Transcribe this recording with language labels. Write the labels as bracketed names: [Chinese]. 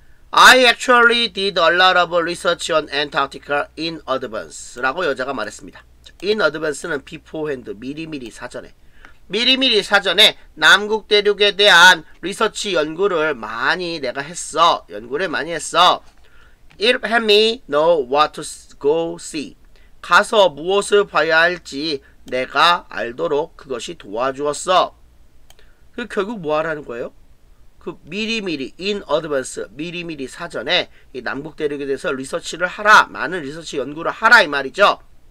[English] I actually did a lot of research on Antarctica in advance [Korean] 라고 여자가 말했습니다. [English] In advance는 beforehand, [Korean] 미리미리 사전에. 미리미리 사전에 남극 대륙에 대한 리서치 연구를 많이 내가 했어. 연구를 많이 했어. [English] It had me know what to go see. [Korean] 가서 무엇을 봐야 할지 내가 알도록 그것이 도와주었어. 그 결국 뭐하라는 거예요? 그 미리미리 [English] in advance [Korean] 미리미리 사전에 이 남북 대륙에 대해서 리서치를 하라, 많은 리서치 연구를 하라 이 말이죠.